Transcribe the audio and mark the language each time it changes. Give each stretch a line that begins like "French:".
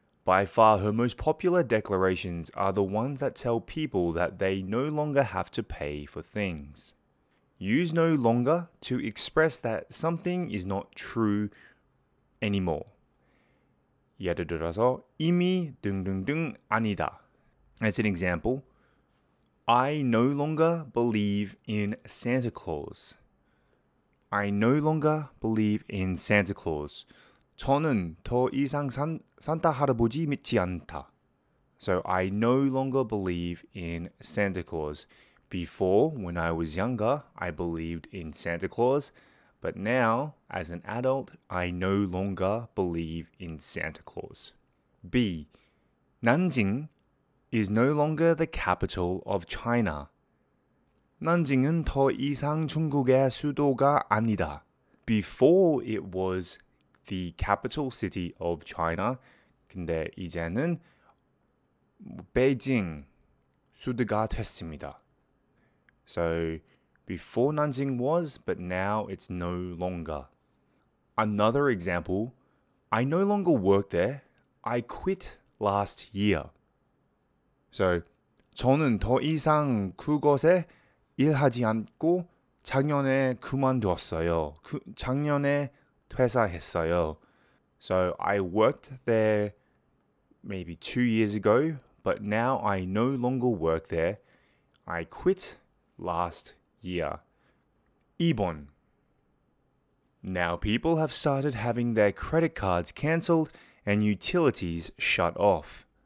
English: By far her most popular declarations are the ones that tell people that they no longer have to pay for things. Use no longer to express that something is not true anymore.
Korean: 예를 들어서 이미 등등등 아니다.
English: As an example, I no longer believe in Santa Claus. I no longer believe in Santa Claus.
Korean: 저는 더 이상 산타 할아버지 믿지 않다.
English: So I no longer believe in Santa Claus. Before, when I was younger, I believed in Santa Claus. But now, as an adult, I no longer believe in Santa Claus. B. 난징 is no longer the capital of China.
Korean: 난징은 더 이상 중국의 수도가 아니다.
English: Before it was the capital city of China,
Korean: 근데 이제는 베이징 수도가 됐습니다.
English: So before Nanjing was, but now it's no longer. Another example, I no longer work there. I quit last year.
Korean: So, 저는 더 이상 그곳에 일하지 않고 작년에 그만뒀어요. 작년에 퇴사했어요.
English: So, I worked there maybe 2 years ago, but now I no longer work there. I quit last year. 2. Now people have started having their credit cards cancelled and utilities shut off.